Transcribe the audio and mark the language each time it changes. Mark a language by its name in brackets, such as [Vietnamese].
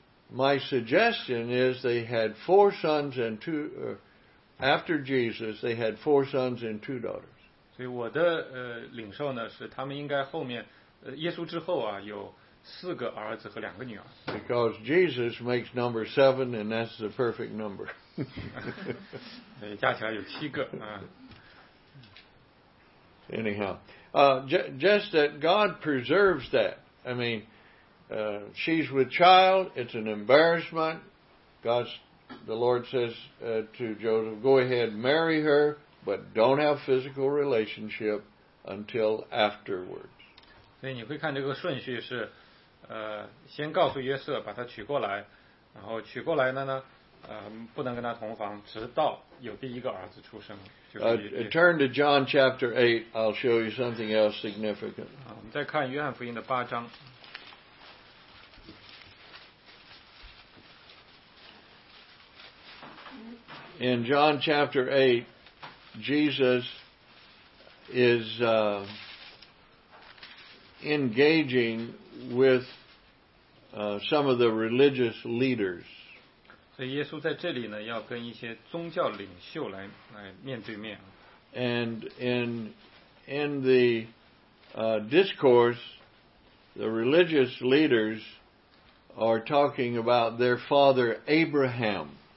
[English] My suggestion is they had four sons and two. After Jesus, they had four sons and two daughters. [Chinese] 所以我的领受呢是他们应该后面耶稣之后啊有四个儿子和两个女儿。 [English] Because Jesus makes number seven, and that's the perfect number. [Chinese] 加起来有七个啊。 [English] Anyhow, just that God preserves that. I mean, she's with child. It's an embarrassment. The Lord says to Joseph, go ahead, marry her, but don't have physical relationship until afterwards. [Chinese] 所以你会看这个顺序是，先告诉约瑟把她娶过来，然后娶过来了呢，不能跟她同房，直到有第一个儿子出生。 [English] Turn to John chapter 8. I'll show you something else significant. [Chinese] 我们再看约翰福音的八章。 [English] In John chapter 8, Jesus is engaging with some of the religious leaders. [Chinese] 所以耶稣在这里呢，要跟一些宗教领袖来面对面。 [English] And in the discourse, the religious leaders are talking about their father Abraham.